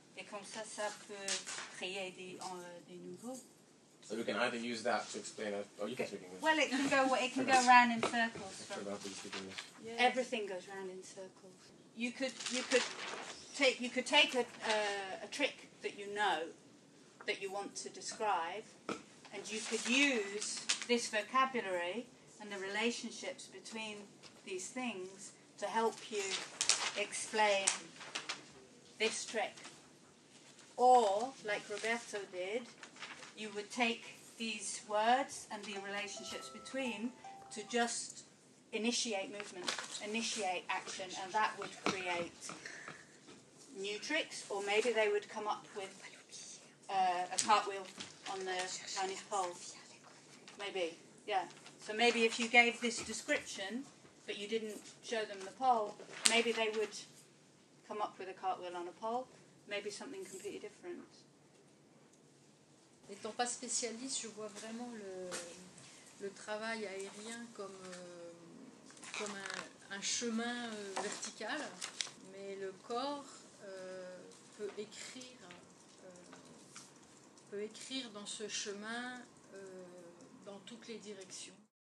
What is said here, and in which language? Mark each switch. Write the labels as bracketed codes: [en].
[fr] Et comme ça, ça peut créer des nouveaux. [en] So we can either use that to explain it, or you can speak English. Well, it can go round in circles. Yeah. Everything goes round in circles. You could take a trick that you know, that you want to describe, and you could use this vocabulary and the relationships between these things to help you explain this trick. Or, like Roberto did, you would take these words and the relationships between to just initiate movement, initiate action, and that would create new tricks, or maybe they would come up with a cartwheel on the Chinese pole. Maybe, yeah. So maybe if you gave this description, but you didn't show them the pole, maybe they would come up with a cartwheel on a pole, maybe something completely different. [fr] N'étant pas spécialiste, je vois vraiment le travail aérien comme un chemin vertical, mais le corps peut écrire dans ce chemin dans toutes les directions.